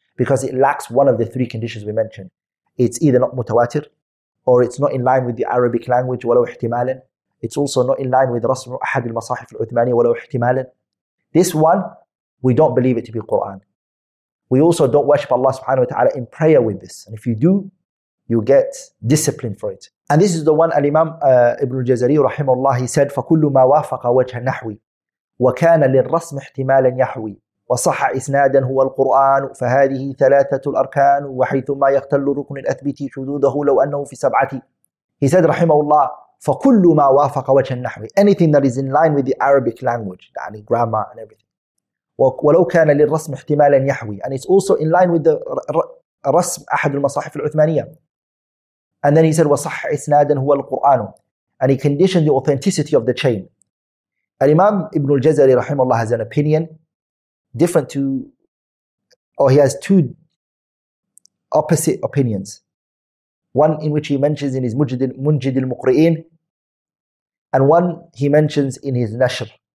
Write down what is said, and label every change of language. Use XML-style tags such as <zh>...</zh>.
<en>Because it lacks one of the three conditions we mentioned. It's either not mutawatir, or it's not in line with the Arabic language, walau ihtimalan. It's also not in line with rasm ahad al-masahif al-uthmani, walau ihtimalan. This one, we don't believe it to be Qur'an. We also don't worship Allah subhanahu wa ta'ala in prayer with this. And if you do, you get discipline for it. And this is the one al-Imam Ibn al-Jazari rahimahullah, he said,</en> <ar>فَكُلُّ مَا وَافَقَ وَجْهَ النَّحْوِي وَكَانَ لِلْرَسْمِ احْتِمَالًا يَحْوِي وصح إسنادا هو القرآن فهذه ثلاثة الأركان وحيثما يختل ركن الأثبت شذوذه لو أنه في سبعة.</ar> <en>He said</en> <ar>رحمه الله فكل ما وافق وجه النحو.</ar> <en>Anything that is in line with the Arabic language, يعني grammar and everything.</en> <ar>ولو كان للرسم احتمالا يحوي.</ar> <en>And it's also in line with the</en> <ar>رسم أحد المصاحف العثمانية.</ar> <en>And then he said</en> <ar>وصح إسنادا هو القرآن.</ar> <en>And he conditioned the authenticity of the chain. الإمام ابن الجزري رحمه الله has an opinion different to, or he has two opposite opinions. One in which he mentions in his Munjid al-Muqri'in, and one he mentions in his Nashr.</en>